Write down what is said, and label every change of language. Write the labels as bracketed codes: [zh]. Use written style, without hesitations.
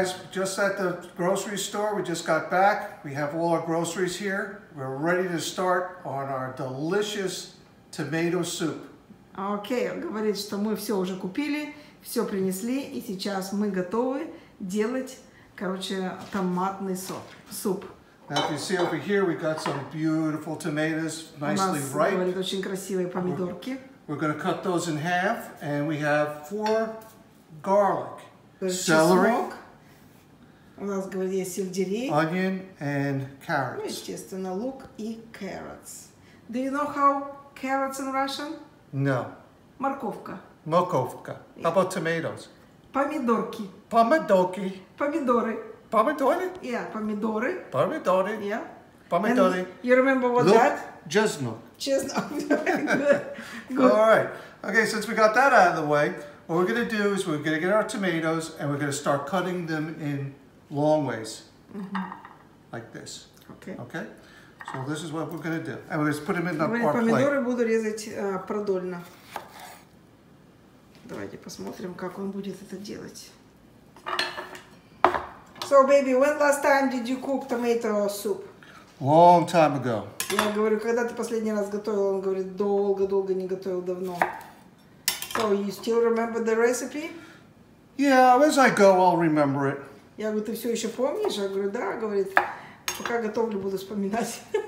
[en] Just at the grocery store, we just got back. We have all our groceries here. We're ready to start on our delicious tomato soup. [ru] Okay, говорит, что мы все уже купили, все принесли, и сейчас мы готовы делать, короче, томатный суп. [en] Now, if you see over here, we got some beautiful tomatoes, nicely ripe. [ru] У нас, говорит, очень красивые помидорки. [en] We're going to cut those in half, and we have 4 garlic, celery. [ru] У нас, говорит, есть сельдерей. [en] Onion and carrots. [ru] Ну, естественно, лук и [en] carrots. Do you know how carrots in Russian? No. [ru] Морковка. Морковка. [en] Yeah. How about tomatoes? [ru] Помидорки. Помидорки. Помидоры. Помидоры? Yeah, помидоры. Помидоры. [en] Yeah. [ru] Помидоры. [en] And you remember what look, that? [ru] Чеснок. Чеснок. [en] Good. All right. Okay, since we got that out of the way, what we're going to do is we're going to get our tomatoes and we're going to start cutting them in long ways, mm-hmm. like this. Okay. Okay. So this is what we're gonna do. And we're gonna put them in the our plate. [ru] Помидоры буду резать продольно. Давайте посмотрим, как он будет это делать. [en] So, baby, when last time did you cook tomato soup? Long time ago. [ru] Я говорю, когда ты последний раз готовил? Он говорит, долго-долго не готовил, давно. [en] So, you still remember the recipe? Yeah, as I go, I'll remember it. [ru] Я говорю, ты все еще помнишь? Я говорю, да, говорит, пока готовлю, буду вспоминать.